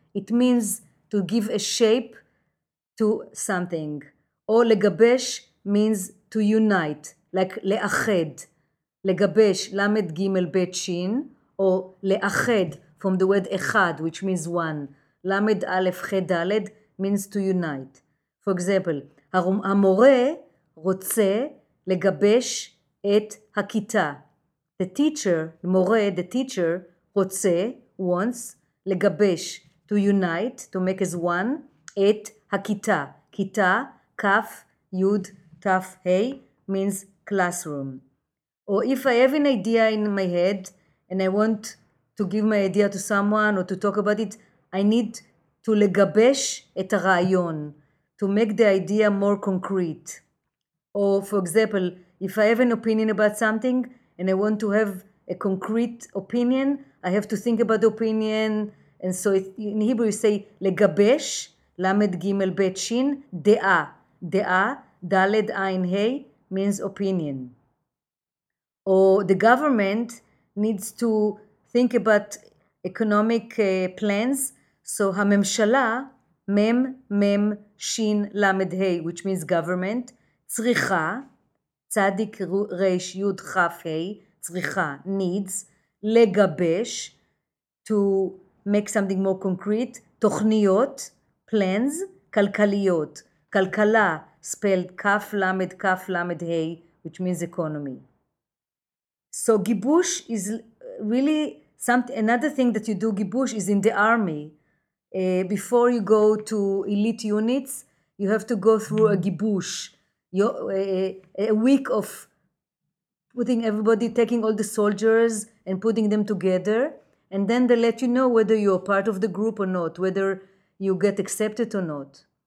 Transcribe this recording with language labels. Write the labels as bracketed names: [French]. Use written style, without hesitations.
[English] It means to give a shape to something. Or legabesh means to unite, like leached. Legabesh, lamed, gimel, bet, shin, or leached, from the word echad, which means one. Lamed, alef, chet, dalet, means to unite. For example, [Hebrew] המורה רוצה לגבש את הכיתה. [English] The teacher, מורה, the teacher, רוצה, wants, לגבש, to unite, to make as one, [Hebrew] את הכיתה. כיתה, כף, יוד, תף, היי, [English] means classroom. Or if I have an idea in my head and I want to give my idea to someone or to talk about it, I need to [Hebrew] legabesh et ha-rayon, [English] to make the idea more concrete. Or for example, if I have an opinion about something and I want to have a concrete opinion, I have to think about the opinion. And so in Hebrew you say [Hebrew] legabesh, lamed gimel bet shin, de'a. De'a, daled ayin hey, [English] means opinion. Or the government needs to think about economic plans. [Hebrew] So הממשלה, מם, מם, שין, למד, ה, [English] which means government, [Hebrew] צריכה, צדיק, ריש, יוד, חף, ה, צריכה, needs, לגבש, [English] to make something more concrete, [Hebrew] תוכניות, plans, כלכליות, כלכלה, spelled כף, למד, כף, למד, ה, [English] which means economy. So גיבוש is really something, another thing that you do גיבוש is in the army. Before you go to elite units, you have to go through a gibush, a week of putting everybody, taking all the soldiers and putting them together, and then they let you know whether you're part of the group or not, whether you get accepted or not.